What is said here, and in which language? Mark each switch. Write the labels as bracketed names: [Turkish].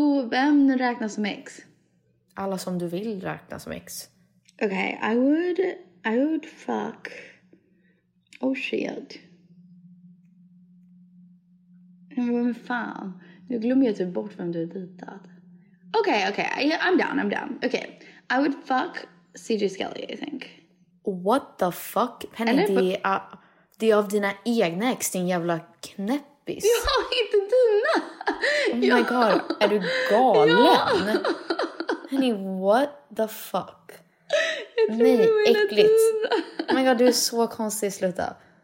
[Swedish] Vem räknas som ex? Alla som du vill räkna som ex. [English] Okej, okay, I would fuck. Oh shit. [Swedish] Vem fan? Nu glömmer jag typ bort vem du har ditat. [English] Okej, I'm down. Okej, okay. I would fuck CJ Skelly, I think. What the fuck? [Swedish] Penny, eller, det är av dina egna ex, din jävla knäppis. Ja, inte dina. [English] Oh my god, [Swedish] är du galen? Ja. [English] Honey, what the fuck? [Swedish] Nej, äckligt. [English] Oh my god, [Swedish] du är så konstig, sluta.